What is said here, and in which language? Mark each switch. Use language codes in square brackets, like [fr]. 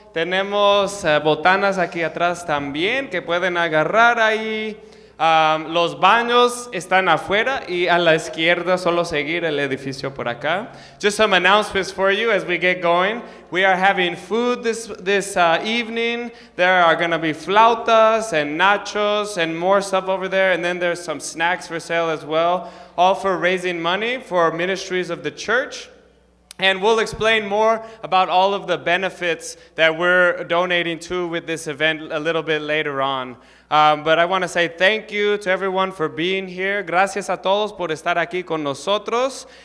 [es] Tenemos botanas aquí atrás también que pueden agarrar ahí. Los baños están afuera y a la izquierda, solo seguir el edificio por acá. [en] Just some announcements for you as we get going. We are having food this evening. There are going to be flautas and nachos and more stuff over there. And then there's some snacks for sale as well, all for raising money for ministries of the church. And we'll explain more about all of the benefits that we're donating to with this event a little bit later on. But I want to say thank you to everyone for being here. [es] Gracias a todos por estar aquí con nosotros.